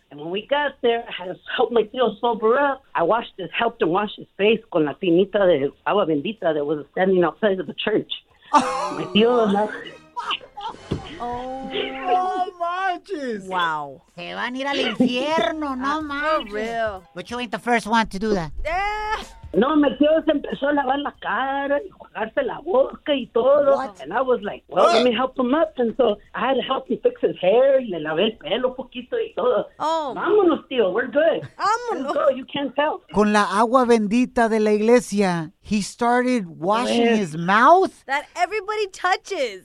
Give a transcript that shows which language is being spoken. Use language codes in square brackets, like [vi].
[en] And when we got there, I had to help my tío sober up. I helped him wash his face [es] con la tinita de agua bendita [en] that was standing outside of the church. My tío left. Oh, my Jesus. Wow. [es] Se van a ir al infierno, no manches. [en] For real. But you ain't the first one to do that. [es] No, mi tío se empezó a lavar la cara y jugarse la boca y todo. [en] What? And I was like, well, let me help him up. And so I had to help him fix his hair [es] y le lavé el pelo poquito y todo. [en] Oh. [es] Vámonos, tío, [en] we're good. [es] Vámonos. [en] Let's go. You can't tell. [es] Con la agua bendita de la iglesia, [en] he started washing his mouth. That everybody touches.